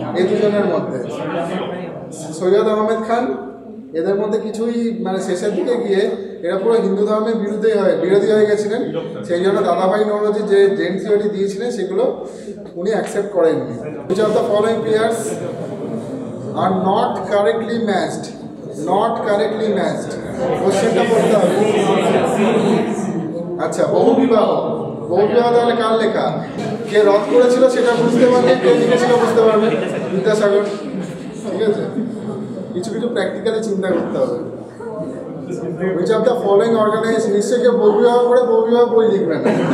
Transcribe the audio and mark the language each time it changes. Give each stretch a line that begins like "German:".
Bangla: এই দুজনের মধ্যে সৈয়দ আহমেদ খান, এদের মধ্যে কিছুই মানে শেষের দিকে গিয়ে এরা পুরো হিন্দু ধর্মের বিরুদ্ধে হয় বিরোধী হয়ে গেছিলেন. সেই জন্য দাদাভাই নওরোজি যে জেন থিওরি দিয়েছিলেন সেগুলো উনি অ্যাকসেপ্ট করেননি.
English: Following players are not correctly matched. Not correctly matched.
Bangla: Question টা পড়তে হবে. আচ্ছা, বহু বিবাহ. বহু বিবাহ তাহলে কার লেখা? কে রদ করেছিল সেটা বুঝতে পারবে, কে লিখেছিল বুঝতে পারবে? বিদ্যাসাগর. ঠিক আছে, কিছু কিছু প্র্যাকটিক্যালি চিন্তা করতে হবে.
English: which of the following organise
Bangla: নিশ্চয় কেউ বহু বিবাহ করে বহু বিবাহ বই লিখবে না.